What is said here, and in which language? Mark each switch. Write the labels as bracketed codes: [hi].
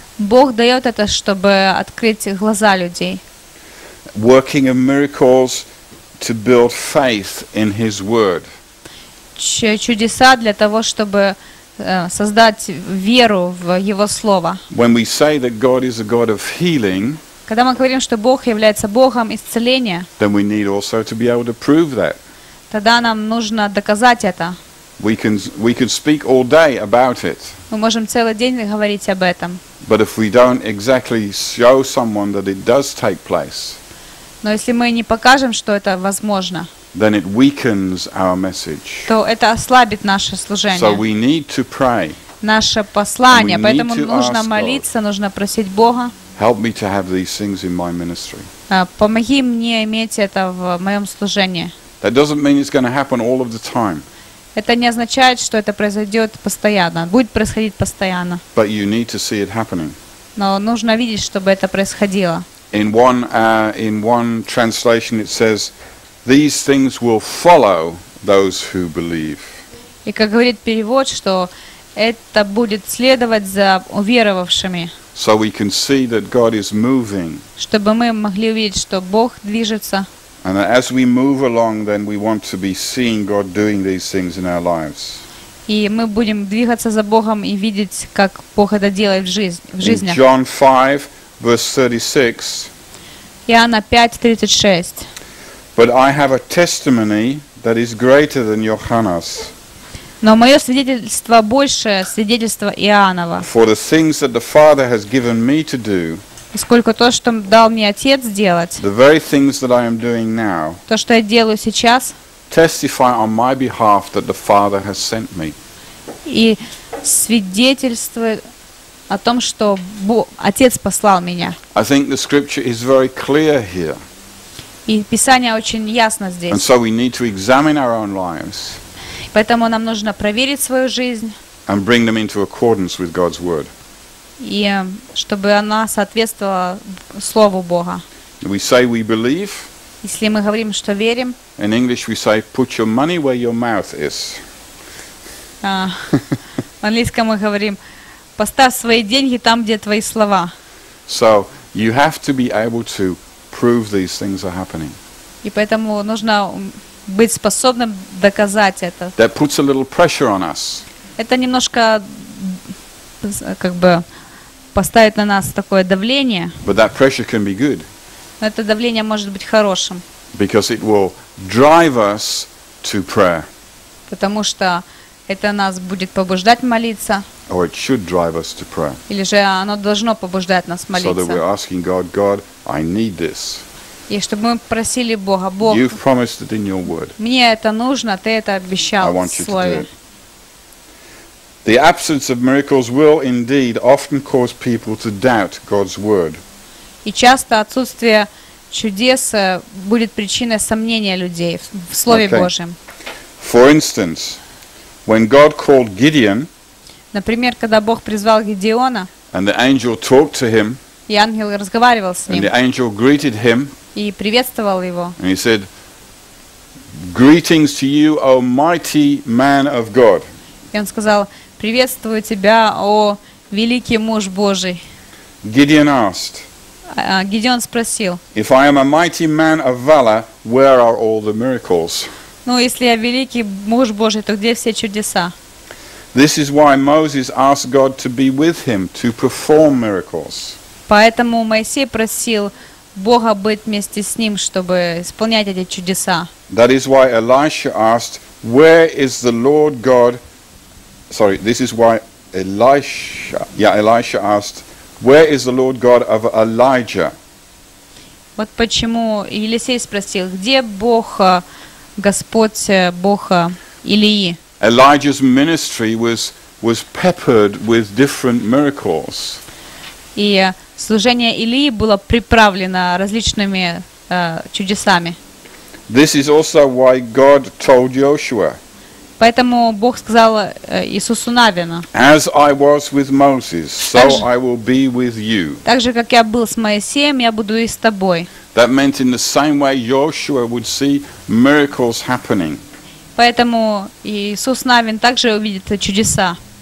[ru] Бог дает это, чтобы открыть глаза людей. [en] Working of miracles to build faith in His word. [ru] Чудеса для того, чтобы создать веру в Его слово. [en] When we say that God is a God of healing, [ru] когда мы говорим, что Бог является Богом исцеления, [en] then we need also to be able to prove that. [ru] Тогда нам нужно доказать это. [en] We could speak all day about it. [ru] Мы можем целый день говорить об этом. [en] But if we don't exactly show someone that it does take place. [ru] Но если мы не покажем, что это возможно. [en] Then it weakens our message. [ru] То это ослабит наше служение. [en] So we need to pray. [ru] Наше послание, поэтому нужно молиться, нужно просить Бога. [en] Help me to have these things in my ministry. [ru] Помоги мне иметь это в моем служении. [en] That doesn't mean it's going to happen all of the time. [ru] Это не означает, что это произойдет постоянно. Будет происходить постоянно. [en] But you need to see it happening. [ru] Но нужно видеть, чтобы это происходило. [en] In one translation it says, these things will follow those who believe. [ru] И как говорит перевод, что это будет следовать за уверовавшими. [en] So we can see that God is moving. [ru] Чтобы мы могли увидеть, что Бог движется. [en] And as we move along, then we want to be seeing God doing these things in our lives. [ru] И мы будем двигаться за Богом и видеть, как Бог это делает в жизни. [en] John 5, verse 36. [ru] Иоанна 5:36. [en] But I have a testimony that is greater than Johannes. [ru] Но мое свидетельство больше свидетельства Иоаннова. [en] For the things that the Father has given me to do. [ru] Сколько то, что дал мне Отец делать. [en] The very things that I am doing now. [ru] То, что я делаю сейчас. [en] Testify on my behalf that the Father has sent me. [ru] И свидетельствуй о том, что Отец послал меня. [en] I think the scripture is very clear here. [ru] И Писание очень ясно здесь. [en] And so we need to examine our own lives. [ru] Поэтому нам нужно проверить свою жизнь. [en] And bring them into accordance with God's word. [ru] И чтобы она соответствовала слову Бога. [en] We say we believe. [ru] Если мы говорим, что верим. [en] In English we say put your money where your mouth is. [ru] В английском мы говорим: поставь свои деньги там, где твои слова. [en] So you have to be able to prove these things are happening. [ru] И поэтому нужно быть способным доказать это. [en] That puts a little pressure on us. [ru] Это немножко как бы поставит на нас такое давление. [en] But that pressure can be good. [ru] Но это давление может быть хорошим. [en] Because it will drive us to prayer. [ru] Потому что это нас будет побуждать молиться. [en] Or it should drive us to prayer. [ru] Или же оно должно побуждать нас молиться. [en] So that we're asking God, God, I need this. [ru] И чтобы мы просили Бога, Бог, [en] You've promised it in your word. [ru] Мне это нужно, Ты это обещал [en] I want [ru] в Слове. [en] You to do it. The absence of miracles will indeed often cause people to doubt God's word. [ru] И часто отсутствие чудес будет причиной сомнения людей в Слове Божьем. [en] For instance, when God called Gideon, [ru] например, когда Бог призвал Гедеона, [en] and the angel talked to him, [ru] и ангел разговаривал с ним, [en] and the angel greeted him, [ru] и приветствовал его, [en] and he said, "Greetings to you, O mighty man of God." [ru] И он сказал: приветствую тебя, о великий муж Божий. [en] Gideon asked. [ru] Гедеон спросил. [en] If I am a mighty man of valor, where are all the miracles? [ru] Ну, если я великий муж Божий, то где все чудеса? [en] This is why Moses asked God to be with him to perform miracles. [ru] Поэтому Моисей просил Бога быть вместе с ним, чтобы исполнять эти чудеса. [en] That is why Elisha asked, "Where is the Lord God?" Sorry, this is why Elisha asked, "Where is the Lord God of Elijah?" [ru] Вот почему Елисей спросил, где Бог, Господь Бога Илии? [en] Elijah's ministry was peppered with different miracles. [ru] И служение Илии было приправлено различными чудесами. [en] This is also why God told Joshua. [ru] Поэтому Бог сказал Иисусу Навину. [en] As I was with Moses, so I will be with you. [ru] Так же, как я был с Моисеем, я буду и с тобой. [en] That meant in the same way Joshua would see miracles happening. [ru] Поэтому Иисус Навин также увидит чудеса.